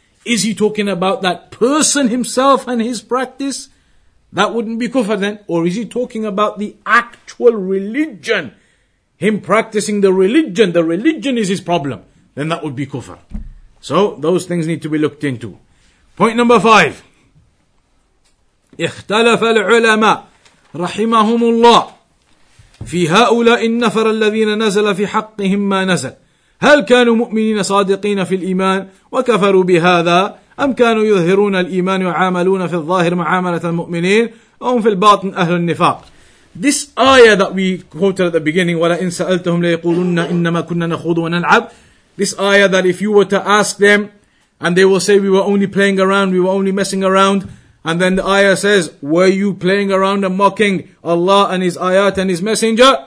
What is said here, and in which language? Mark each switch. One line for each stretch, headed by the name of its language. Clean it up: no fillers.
English: Is he talking about that person himself and his practice? That wouldn't be kufr then. Or is he talking about the actual religion? Him practicing the religion is his problem. Then that would be kufr. So those things need to be looked into. Point number five.
Arabic: اختلف العلماء رحمهم الله في هؤلاء النفر الذين نزل في حقهم ما نزل هل كانوا مؤمنين صادقين في الإيمان وكفروا بهذا أم كانوا يظهرون الإيمان وعاملون في الظاهر معاملة المؤمنين أم في الباطن أهل النفاق
English: This ayah that we quoted at the beginning
Arabic: وَلَئِنْ سَأَلْتَهُمْ لَيَقُولُنَّ إِنَّمَا كُنَّا نَخُوضُ وَنَلْعَبْ
English: This ayah that if you were to ask them and they will say we were only playing around, we were only messing around, And then the ayah says, were you playing around and mocking Allah and His ayat and His messenger?